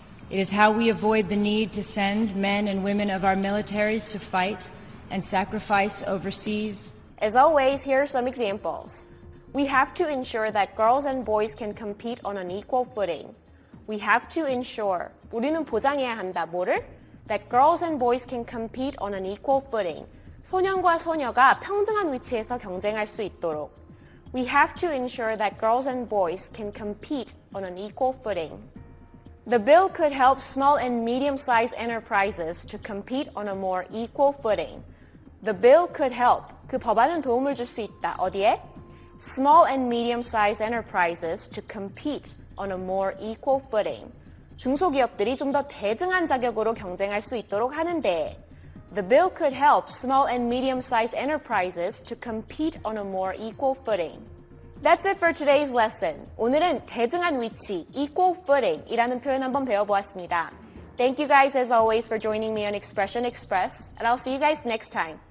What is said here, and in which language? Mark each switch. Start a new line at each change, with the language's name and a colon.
English: It is how we avoid the need to send men and women of our militaries to fight and sacrifice overseas. As always, here are some examples. We have to ensure that girls and boys can compete on an equal footing. We have to ensure,
Korean: 우리는 보장해야 한다, 뭐를?
English: That girls and boys can compete on an equal footing.
Korean: 소년과 소녀가 평등한 위치에서 경쟁할 수 있도록.
English: We have to ensure that girls and boys can compete on an equal footing. The bill could help small and medium-sized enterprises to compete on a more equal footing. The bill could help.
Korean: 그 법안은 도움을 줄 수 있다. 어디에?
English: Small and medium-sized enterprises to compete on a more equal footing.
Korean: 중소기업들이 좀 더 대등한 자격으로 경쟁할 수 있도록 하는데.
English: The bill could help small and medium-sized enterprises to compete on a more equal footing. That's it for today's lesson.
Korean: 오늘은 대등한 위치, equal footing 이라는 표현 한번 배워보았습니다.
English: Thank you guys as always for joining me on Expression Express, and I'll see you guys next time.